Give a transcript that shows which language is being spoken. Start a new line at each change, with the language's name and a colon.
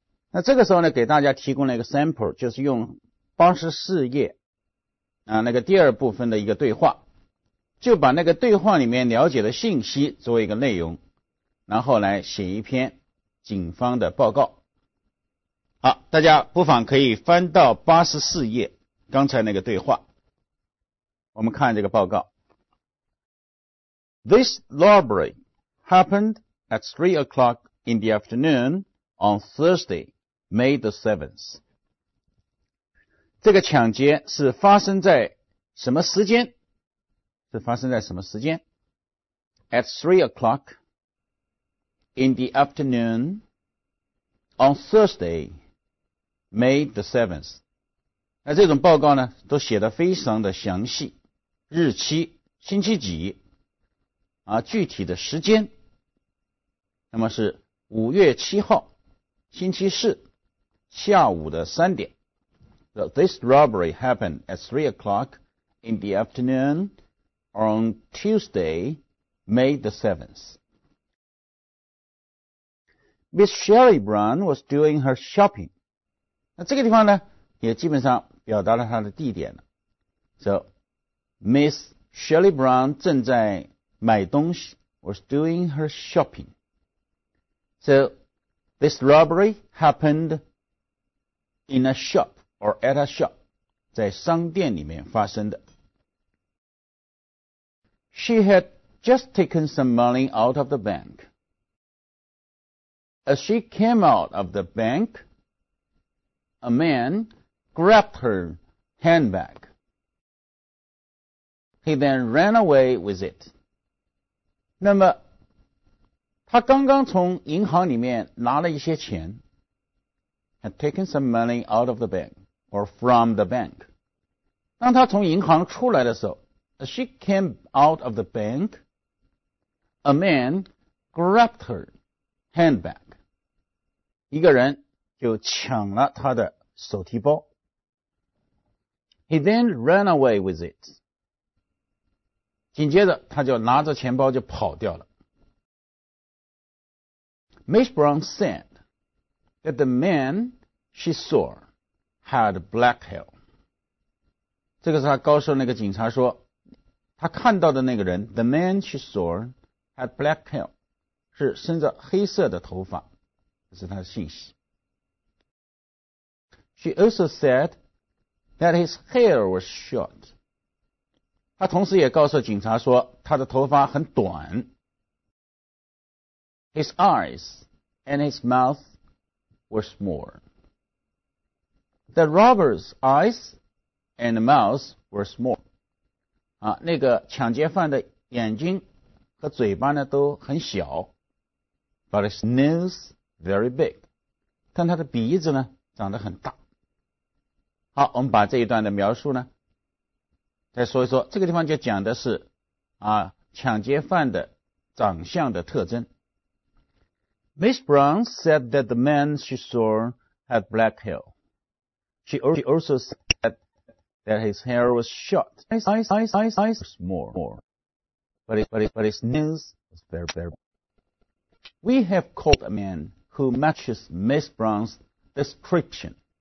Chinese: 那这个时候呢给大家提供了一个 sample， 就是用84页啊那个第二部分的一个对话，就把那个对话里面了解的信息作为一个内容，然后来写一篇警方的报告。好，大家不妨可以翻到84页刚才那个对话，我们看这个报告。
English: This robbery happened at 3 o'clock in the afternoon on Thursday. May the 7th，
Chinese: 这个抢劫是发生在什么时间？是发生在什么时间
English: ？At 3 o'clock in the afternoon on Thursday, May the 7th。
Chinese: 那这种报告呢，都写得非常的详细，日期、星期几啊，具体的时间，那么是5月7号，星期四。下午的三点。
English: So, this robbery happened at 3 o'clock in the afternoon on Tuesday, May the 7th. Miss Shelley Brown was doing her shopping.
Chinese: 那这个地方呢也基本上表达了她的地点了。
English: So, Miss Shelley Brown
Chinese: 正在买东西
English: was doing her shopping. So, this robbery happenedIn a shop or at a shop，
Chinese: 在商店里面发生的。
English: She had just taken some money out of the bank. As she came out of the bank, a man grabbed her handbag. He then ran away with it.
Chinese: 那么，他刚刚从银行里面拿了一些钱。
English: Had taken some money out of the bank or from the bank.
Chinese: 当他从银行出来的时候
English: ，she came out of the bank. A man grabbed her handbag.
Chinese: 一个人就抢了她的手提包。
English: He then ran away with it.
Chinese: 紧接着他就拿着钱包就跑掉了。
English: Miss Brown said that the man she saw had black hair.
Chinese: 这个是他告诉那个警察说他看到的那个人
English: The man she saw had black hair.
Chinese: 是生着黑色的头发。这是他的信息。
English: She also said,that his hair was short.
Chinese: 他同时也告诉警察说他的头发很短。
English: His eyes and his mouth were small. The robber's eyes and mouth were small.
Chinese: 啊，那个抢劫犯的眼睛和嘴巴呢都很小。
English: But his nose very big.
Chinese: 但他的鼻子呢长得很大。好，我们把这一段的描述呢再说一说，这个地方就讲的是啊抢劫犯的长相的特征。
English: Miss Brown said that the man she saw had black hair. She also said that his hair was short. His eyes were small. But his nose was very, very big. We have caught a man who matches Miss Brown's description.